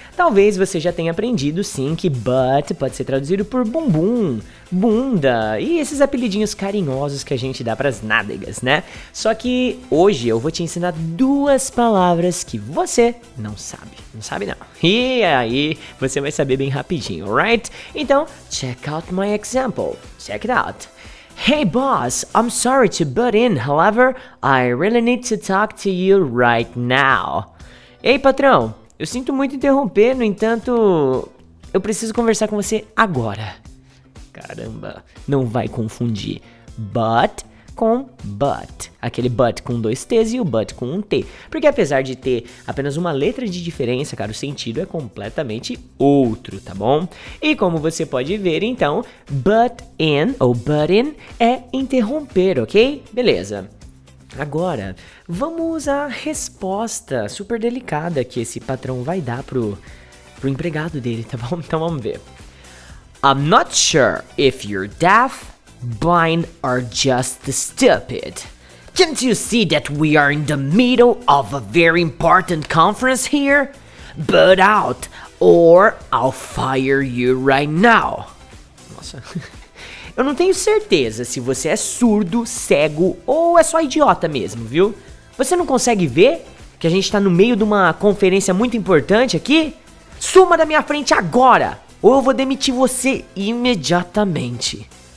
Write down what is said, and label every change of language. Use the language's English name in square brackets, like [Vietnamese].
[Portuguese] Talvez você já tenha aprendido, sim, que butt pode ser traduzido por bumbum, bunda e esses apelidinhos carinhosos que a gente dá pras nádegas, né? Só que hoje eu vou te ensinar duas palavras que você não sabe. Não sabe não. E aí você vai saber bem rapidinho, right? [English] Então, check out my example. Check it out. Hey boss, I'm sorry to butt in, however, I really need to talk to you right now. [Portuguese] Ei, patrão. Eu sinto muito interromper, no entanto, eu preciso conversar com você agora. Caramba, não vai confundir but com but. Aquele but com dois T's e o but com um T. Porque apesar de ter apenas uma letra de diferença, cara, o sentido é completamente outro, tá bom? E como você pode ver, então, but in ou butt in é interromper, ok? Beleza. Agora, vamos à resposta super delicada que esse patrão vai dar pro empregado dele, tá bom? Então vamos ver. [English] I'm not sure if you're deaf, blind or just stupid. Can't you see that we are in the middle of a very important conference here? Butt out or I'll fire you right now. [Portuguese] Nossa. Eu não tenho certeza se você é surdo, cego ou é só idiota mesmo, viu? Você não consegue ver que a gente tá no meio de uma conferência muito importante aqui? Suma da minha frente agora ou eu vou demitir você imediatamente.